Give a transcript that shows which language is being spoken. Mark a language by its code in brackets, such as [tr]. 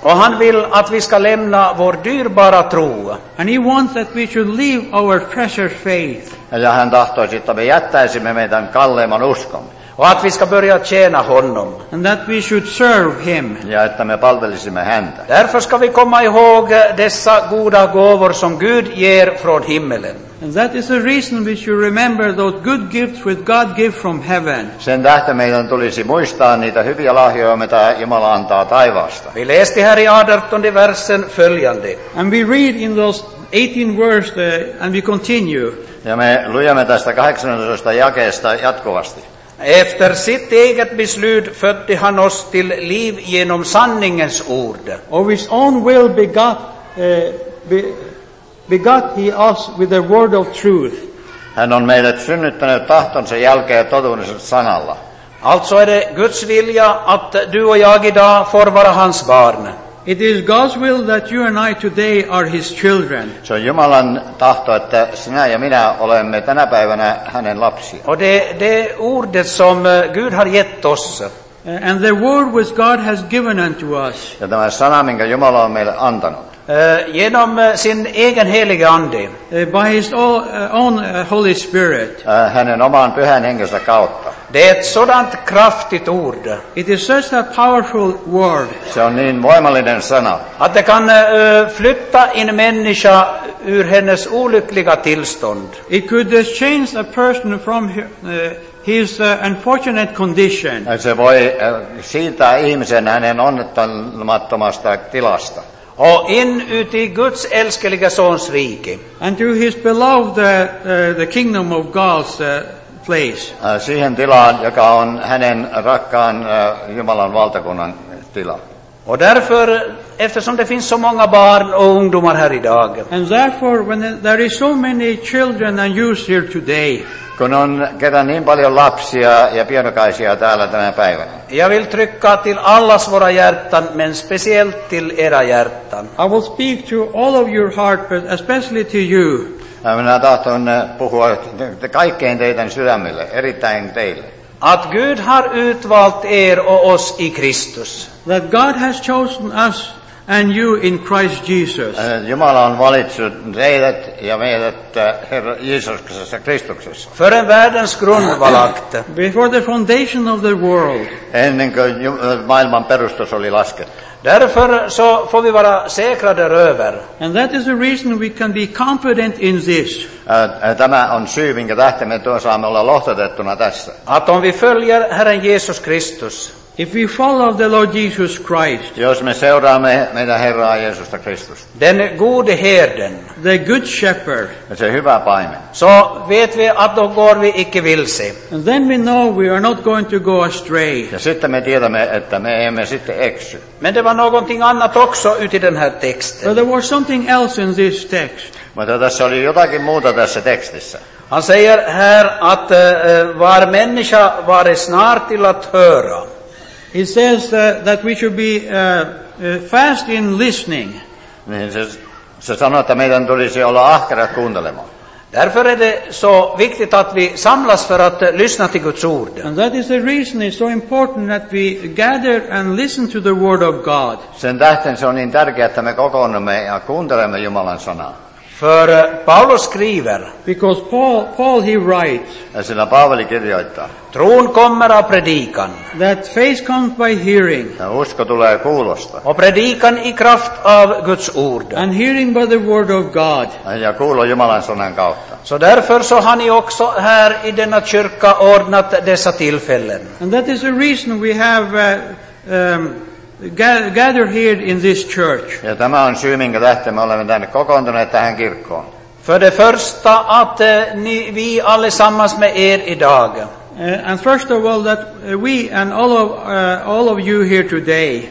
[sv] Och han vill att vi ska lämna vår dyrbara tro. [en] And he wants that we should leave our precious faith. [fi] Ja hän tahtoisi, että me jättäisimme meidän kalleimman uskon. [sv] Och att vi ska börja tjäna honom. [en] And that we should serve him. [fi] Ja että me palvelisimme häntä. [sv] Därför ska vi komma ihåg dessa goda gåvor som Gud ger från himmelen. [en] And that is the reason we should remember those good gifts which God gives from heaven. [fi] Sen tähden meidän tulisi muistaa niitä hyviä lahjoja, mitä Jumala antaa taivaasta. [sv] Vi läste här i 18 versen följande. [en] And we read in those 18 verses and we continue. [fi] Ja me luemme tästä 18 jakeesta jatkuvasti. [sv] Efter sitt eget beslut födde han oss till liv genom sanningens ord. [en] Of his own will begot he us with the word of truth. [fi] Hän on meidät synnyttänyt tahtonsa jälkeen totuuden sanalla. [sv] Alltså är det Guds vilja att du och jag idag får vara hans barn. [en] It is God's will that you and I today are his children. [fi] Se on Jumalan tahto, että sinä ja minä olemme tänä päivänä hänen lapsia. [sv] Och det ordet som Gud har gett oss. [en] And the word which God has given unto us. [fi] Ja tämä sana, minkä Jumala on meille antanut. [sv] Genom sin egen helige ande. [en] By his own Holy Spirit. [fi] Hänen oman pyhän hengensä kautta. [sv] Det är ett sådant kraftigt ord. [en] It is such a powerful word. [fi] Se on niin voimallinen sana. [sv] Att det kan flytta en människa ur hennes olyckliga tillstånd. [en] It could change a person from his unfortunate condition. [fi] Se voi siirtää ihmisen hänen onnettomattomasta tilasta. [sv] Och in uti Guds älskeliga sons rike. [en] And to his beloved the kingdom of God's place. [fi] Siihen tilaan, joka on hänen rakkaan Jumalan valtakunnan tila. [sv] Och därför, eftersom det finns så många barn och ungdomar här idag. [en] And therefore, when there is so many children and youth here today. [fi] Kun on kerran niin paljon lapsia ja pienokaisia täällä tänä päivänä. [sv] Jag vill trycka till allas våra hjärtan, men speciellt till era hjärtan. [en] I will speak to all of your heart, but especially to you. [fi] Minä tahton puhua kaikkein teidän sydämille, erittäin teille. [sv] Att Gud har utvalt er och oss i Kristus. [en] That God has chosen us and you in Christ Jesus. [fi] Jumala on valitsut teidät ja meidät Herra Jeesuksessa Kristuksessa. [sv] För en världens grundvalakt. [en] Before the foundation of the world. [fi] Ennen kuin maailman perustus oli laskettu. [sv] Därför så får vi vara säkra däröver. [en] And that is the reason we can be confident in this. [fi] Tämä on syy, minkä tähden me saamme olla lohdutettuna tässä. [sv] Att om vi följer Herren Jesus Kristus. [en] If we follow the Lord Jesus Christ. [fi] Jos me seuraamme meidän Herraa Jeesusta Kristusta. [sv] Den gode herden. [en] The good shepherd. [fi] Se hyvä paimen. [sv] So vet vi att då går vi icke vilse. [en] And then we know we are not going to go astray. [fi] Ja sitten me tiedämme, että me emme sitten eksy. [sv] Men det var någonting annat också uti den här texten. [en] But there was something else in this text. [fi] Mutta tässä oli jotakin muuta tässä tekstissä. [sv] Han säger här att var människa var snart till att höra. [en] He says that we should be fast in listening. [fi] Se sanoo, että meidän tulisi olla ahkerat kuuntelemaan. [sv] Därför är det så viktigt att vi samlas för att lyssna till Guds ord. [en] And that is the reason it's so important that we gather and listen to the word of God. [fi] Sen tähden se on niin tärkeää, että me kokoonnumme ja kuuntelemme Jumalan sanaa. [sv] För Paulus skriver. [en] Because Paul he writes. [fi] Ja sillä Paavali kirjoittaa. [sv] Tron kommer av predikan. [en] That faith comes by hearing. [fi] Ja usko tulee kuulosta. [sv] Och predikan i kraft av Guds ord. [en] And hearing by the word of God. [fi] Ja kuulo Jumalan sanan kautta. [sv] Så därför så har ni också här i denna kyrka ordnat dessa tillfällen. [en] And that is the reason we have gather here in this church. [fi] Ja tämä on syy, minkä tähden me olemme tänne kokoontuneet tähän kirkkoon. [sv] För det första att vi allesammans med er idag. [en] And first of all that we and all of you here today.